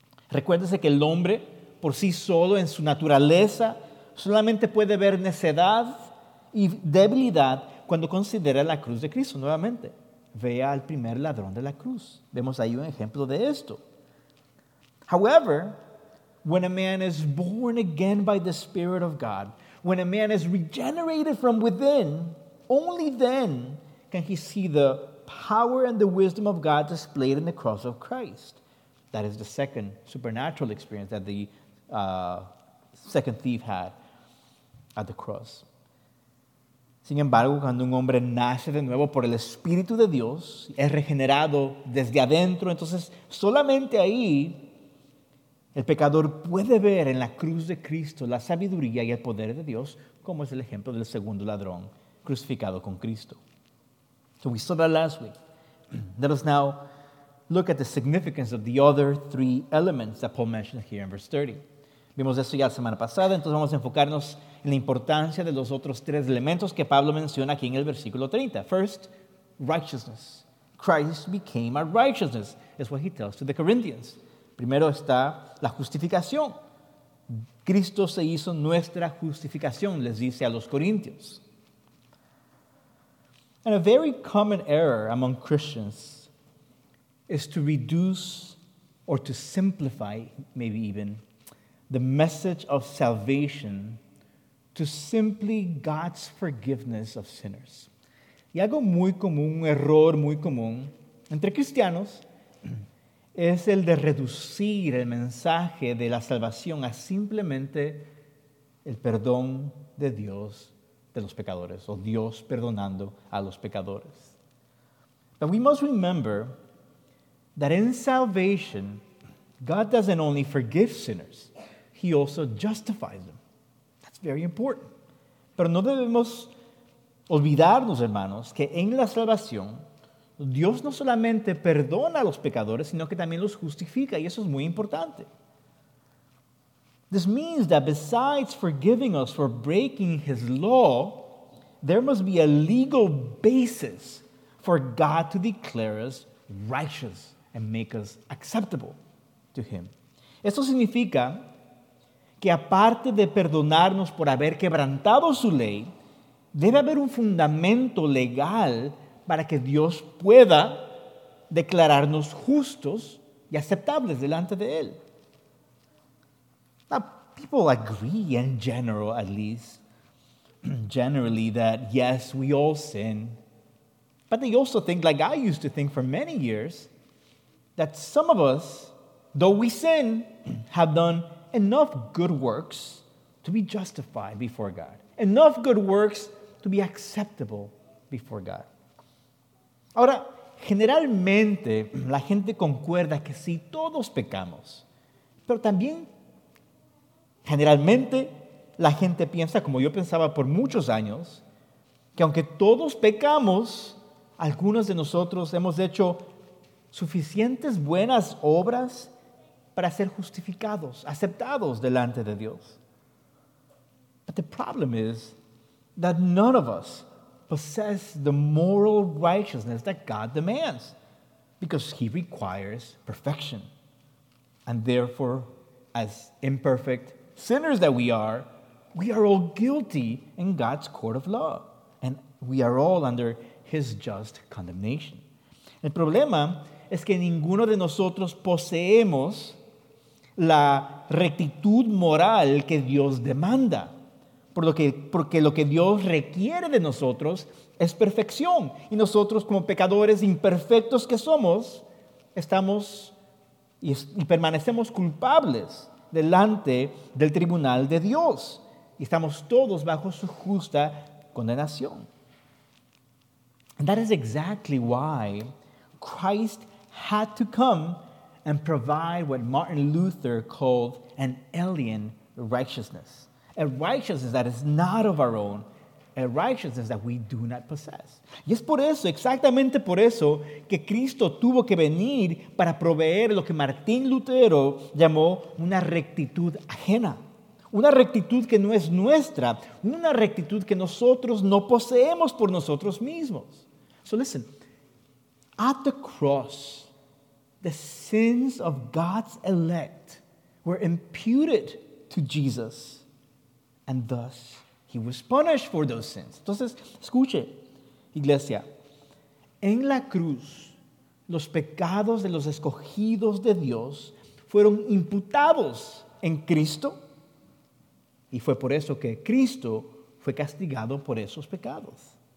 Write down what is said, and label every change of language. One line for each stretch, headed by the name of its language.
Spanish: Recuérdese que el hombre, por sí solo, en su naturaleza, solamente puede ver necedad y debilidad cuando considera la cruz de Cristo. Nuevamente, vea al primer ladrón de la cruz. Vemos ahí un ejemplo de esto.
English: However, when a man is born again by the Spirit of God, when a man is regenerated from within, only then can he see the power and the wisdom of God displayed in the cross of Christ. That is the second supernatural experience that the second thief had at the cross.
Spanish: Sin embargo, cuando un hombre nace de nuevo por el Espíritu de Dios, es regenerado desde adentro, entonces solamente ahí el pecador puede ver en la cruz de Cristo la sabiduría y el poder de Dios, como es el ejemplo del segundo ladrón crucificado con Cristo.
English: So we saw that last week. Let us now look at the significance of the other three elements that Paul mentioned here in verse 30.
Spanish: Vimos eso ya la semana pasada, entonces vamos a enfocarnos en la importancia de los otros tres elementos que Pablo menciona aquí en el versículo 30.
English: First, righteousness. Christ became our righteousness, is what he tells to the Corinthians.
Spanish: Primero está la justificación. Cristo se hizo nuestra justificación, les dice a los corintios.
English: And a very common error among Christians is to reduce or to simplify, maybe even, the message of salvation to simply God's forgiveness of sinners.
Spanish: Y algo muy común, un error muy común entre cristianos, es el de reducir el mensaje de la salvación a simplemente el perdón de Dios de los pecadores, o Dios perdonando a los pecadores.
English: But we must remember that in salvation, God doesn't only forgive sinners, he also justifies them. That's very important.
Spanish: Pero no debemos olvidarnos, hermanos, que en la salvación, Dios no solamente perdona a los pecadores, sino que también los justifica, y eso es muy importante.
English: This means that besides forgiving us for breaking his law, there must be a legal basis for God to declare us righteous and make us acceptable to him.
Spanish: Esto significa que aparte de perdonarnos por haber quebrantado su ley, debe haber un fundamento legal para que Dios pueda declararnos justos y aceptables delante de él.
English: Now, people agree in general, at least, generally, that yes, we all sin. But they also think, like I used to think for many years, that some of us, though we sin, have done enough good works to be justified before God. Enough good works to be acceptable before God.
Spanish: Ahora, generalmente, la gente concuerda que sí, todos pecamos. Pero también, generalmente, la gente piensa, como yo pensaba por muchos años, que aunque todos pecamos, algunos de nosotros hemos hecho suficientes buenas obras para ser justificados, aceptados delante de Dios.
English: But the problem is that none of us possess the moral righteousness that God demands, because he requires perfection. And therefore, as imperfect sinners that we are all guilty in God's court of law, and we are all under his just condemnation.
Spanish: El problema es que ninguno de nosotros poseemos la rectitud moral que Dios demanda. Porque lo que Dios requiere de nosotros es perfección. Y nosotros, como pecadores imperfectos que somos, estamos y permanecemos culpables delante del tribunal de Dios. Y estamos todos bajo su justa condenación.
English: And that is exactly why Christ had to come and provide what Martin Luther called an alien righteousness. A righteousness that is not of our own. A righteousness that we do not possess.
Spanish: Y es por eso, exactamente por eso, que Cristo tuvo que venir para proveer lo que Martín Lutero llamó una rectitud ajena. Una rectitud que no es nuestra. Una rectitud que nosotros no poseemos por nosotros mismos.
English: So listen, at the cross, the sins of God's elect were imputed to Jesus, and thus he was punished for those sins.
Spanish: Entonces, escuche, iglesia. En la cruz, los pecados de los escogidos de Dios fueron imputados en Cristo, y fue por eso que Cristo fue castigado por esos pecados.